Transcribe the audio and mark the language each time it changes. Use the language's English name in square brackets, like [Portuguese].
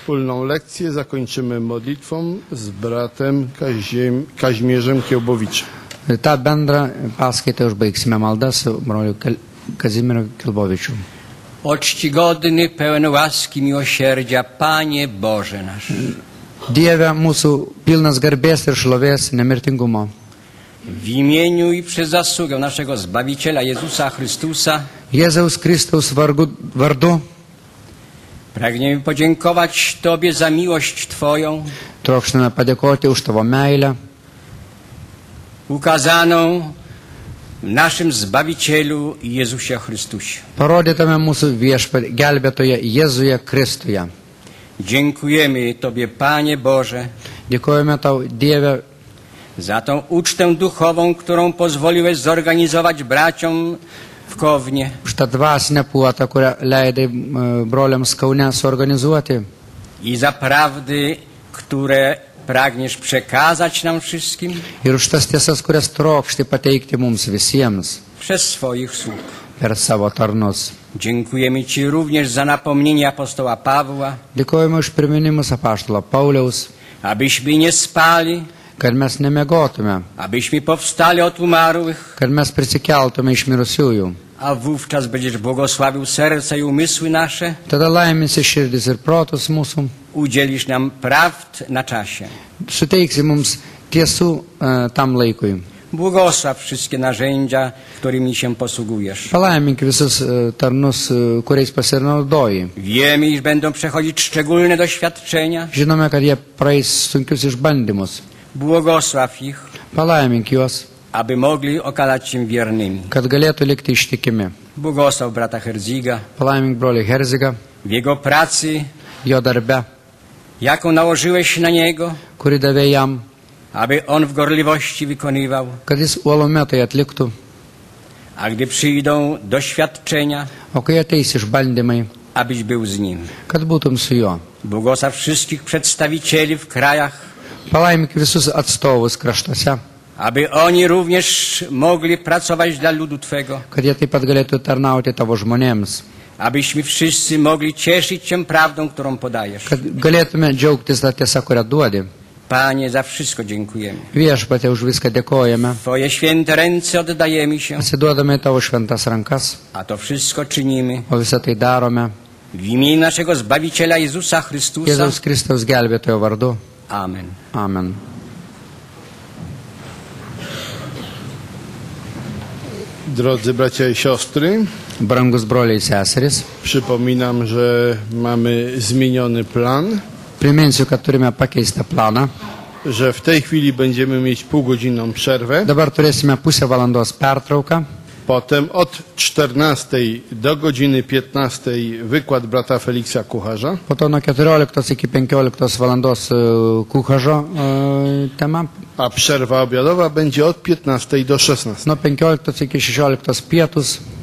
[Polish] audycję zakończymy modlitwą z bratem Kazimierzem Kielbowiczem. [Lithuanian] Ta bendra paskaita užbaigsime malda su broliu Kazimieru Kielbowiczu. [Polish] O czcigodny, pełen łaski, miłosierdzia, Panie Boże nasz. [Lithuanian] Dieve mūsų pilnas garbės ir šlovės nemirtingumo. [Polish] W imieniu i przez zasługę naszego Zbawiciela Jezusa Chrystusa. [Lithuanian] Jezus Chrystus wardu. [Polish] Pragniemy podziękować Tobie za miłość Twoją. [Lithuanian] Trokštame padėkoti už Tavo meilę. [Polish] Ukazaną w naszym Zbawicielu Jezusie Chrystusie. [Lithuanian] Parodytame mūsų viešpatie, gelbėtoje Jezuje Chrystuje. [Polish] Dziękujemy Tobie, Panie Boże. Dziękujemy [Lithuanian] Tau, Dieve. [Polish] Za tą ucztę duchową, którą pozwoliłeś zorganizować braciom w Kownie. [Lithuanian] Už tą dvasinę puotą, kurią leidai broliams Kaune zorganizuoti. [Polish] I za prawdy, które pragniesz przekazać nam wszystkim. [Lithuanian] Ir už tas tiesas, kurias trokšti pateikti mums visiems. [Polish] Przez swoich sług. [Lithuanian] Per savo tarnus. [Polish] Dziękujemy Ci również za napomnienie apostoła Pawła. Dziękujemy [Lithuanian] už priminimus apaštalo Pauliaus. [Polish] Abyśmy nie spali. [Lithuanian] Kad mes nemiegotume. [Polish] Abyśmy powstali od umarłych. [Lithuanian] Kad mes prisikeltume iš mirusiųjų. [Polish] A wówczas będziesz błogosławił serce i umysły nasze. [Lithuanian] Tada laiminsi širdis ir protus mūsų. [Polish] Udzielisz nam prawd na czasie. [Lithuanian] Suteiksi mums tiesų tam laikui. [Polish] Błogosław wszystkie narzędzia, którymi się posługujesz. [Lithuanian] Palaimink visus tarnus, kuriais pasinaudoji. [Polish] Wiemy, iż będą przechodzić szczególne doświadczenia. [Lithuanian] Žinome, kad jie praeis sunkius išbandymus. [Polish] Błogosław ich. [Lithuanian] Palaimink juos. [Polish] Aby mogli okazać się wiernymi. [Lithuanian] Kad galėtų likti ištikimi. [Polish] Błogosław brata Herziga. [Lithuanian] Palaimink broli Herziga. [Polish] W jego pracy. [Lithuanian] Jo darbe. [Polish] Jaką nałożyłeś na niego. [Lithuanian] Kuri davė jam. [Polish] Aby on w gorliwości wykonywał. [Lithuanian] Kad jis uolume tai atliktų. [Polish] A gdy przyjdą doświadczenia. [Lithuanian] O kai ateis išbandymai. [Polish] Abyś był z nim. [Lithuanian] Kad būtum su juo. [Polish] Błogosław wszystkich przedstawicieli w krajach. [Lithuanian] Palaimink visus atstovus kraštuose. [Polish] Aby oni również mogli pracować dla ludu Twego. [Lithuanian] Kad jie taip pat galėtų tarnauti tavo žmonėms. [Polish] Abyśmy wszyscy mogli cieszyć się prawdą, którą podajesz. [Lithuanian] Kad galėtume džiaugtis ta tiesa, kurią duodi. [Polish] Panie, za wszystko dziękujemy. [Lithuanian] Viešpatie, už viską dėkojame. [Polish] Twoje święte ręce oddajemy się. [Lithuanian] Atsiduodame tavo šventas rankas. [Polish] A to wszystko czynimy. [Lithuanian] O visą tai darome. [Polish] W imię naszego Zbawiciela Jezusa Chrystusa. [Lithuanian] Jezus Chrystus gelbėtojo vardu. [Polish] Amen. [Lithuanian] Amen. [Polish] Drodzy bracia i siostry. [Lithuanian] Brangus broliai i seserys. [Polish] Przypominam, że mamy zmieniony plan. [Lithuanian] Priminsiu, kad turime pakeistą planą. [Polish] Że w tej chwili będziemy mieć półgodzinną przerwę. [Lithuanian] Dabar turėsime pusę valandos pertrauką. [Polish] Potem od 14 do godziny 15 wykład brata Feliksa Kucharza. [Lithuanian] Po to nuo 14 iki 15 valandos Kucharzo tema. [Polish] A przerwa obiadowa będzie od 15 do 16. [Lithuanian] Nuo 15 iki 16 pietus.